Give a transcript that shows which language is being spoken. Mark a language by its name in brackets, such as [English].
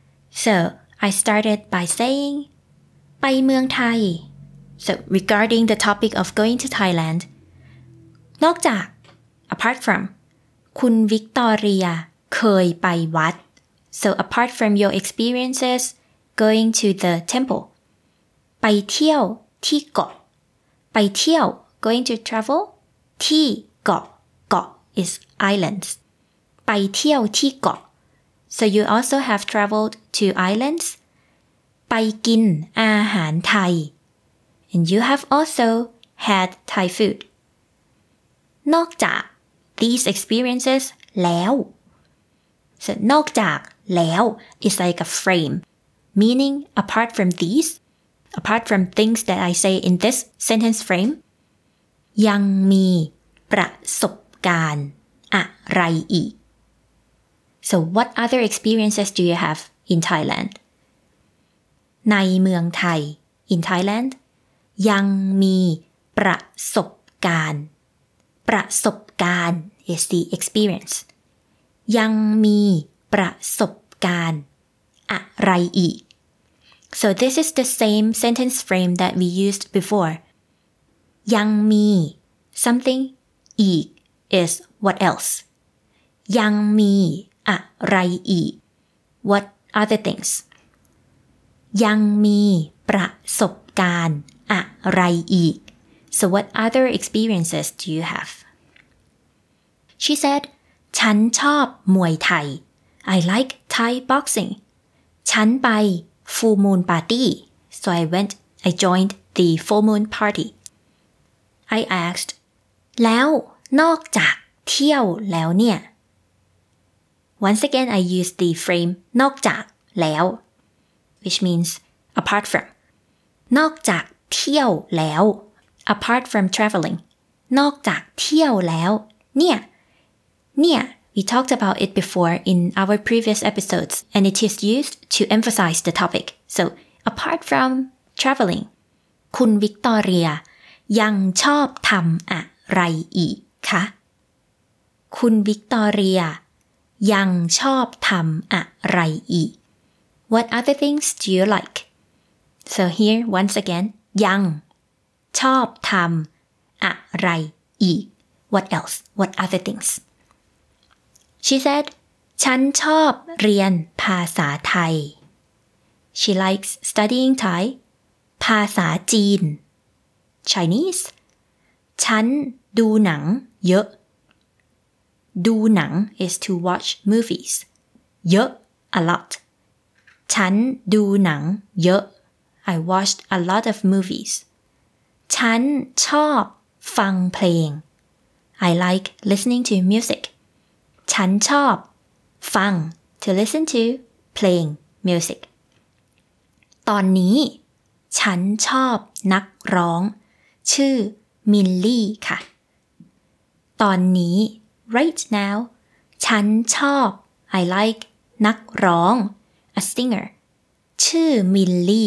[English] So, I started by saying, [Thai] ไปเมืองไทย. [English] So, regarding the topic of going to Thailand, นอกจาก, apart from, [Thai] คุณวิกตอเรียเคยไปวัด. [English] So, apart from your experiences going to the temple, [Thai] ไปเที่ยวที่เกาะ. [English] ไปเที่ยว, going to travel, ที่เกาะ. เกาะ is islands. [Thai] ไปเที่ยวที่เกาะ [English] So you also have traveled to islands. [Thai] ไปกินอาหารไทย [English] And you have also had Thai food. นอกจาก these experiences แล้ว So นอกจากแล้ว is like a frame. Meaning apart from these, apart from things that I say in this sentence frame, [Thai] ยังมีประสบการณ์อะไรอีก [English] So what other experiences do you have in Thailand? [Thai] ในเมืองไทย [English] in Thailand ยังมีประสบการณ์ประสบการณ์ is the experience [Thai] ยังมีประสบการณ์อะไรอีก [English] So this is the same sentence frame that we used before ยังมี something อีก is what else ยังมีอะไรอีก what other things [Thai] ยังมีประสบการณ์อะไรอีก [English] So what other experiences do you have? She said, [Thai] ฉันชอบมวยไทย [English] I like Thai boxing ฉันไป Full Moon Party So I joined the Full Moon Party I asked, [Thai] แล้วนอกจากเที่ยวแล้วเนี่ย [English] Once again, I used the frame นอกจากแล้วwhich means apart from นอกจากเที่ยวแล้ว apart from traveling [Thai] นอกจากเที่ยวแล้วเนี่ย [English] we talked about it before in our previous episodes and it is used to emphasize the topic so apart from traveling [Thai] คุณวิกตอเรียยังชอบทำอะไรอีกคะคุณวิกตอเรียยังชอบทำอะไรอีก [English] What other things do you like? So here, once again, [Thai] ยังชอบทำอะไรอีก [English] What else? What other things? She said, [Thai] ฉันชอบเรียนภาษาไทย [English] She likes studying Thai. [Thai] ภาษาจีน [English] Chinese. [Thai] ฉันดูหนังเยอะ [English] ดูหนัง is to watch movies. [Thai] เยอะ [English] a lot. [Thai] ฉันดูหนังเยอะ [English] I watched a lot of movies [Thai] ฉันชอบฟังเพลง [English] I like listening to music [Thai] ฉันชอบฟัง [English] to listen to playing music [Thai] ตอนนี้ฉันชอบนักร้องชื่อมิลลี่ค่ะตอนนี้ [English] right now [Thai] ฉันชอบ [English] I like [Thai] นักร้อง [English] A singer. [Thai] ชื่อมิลลี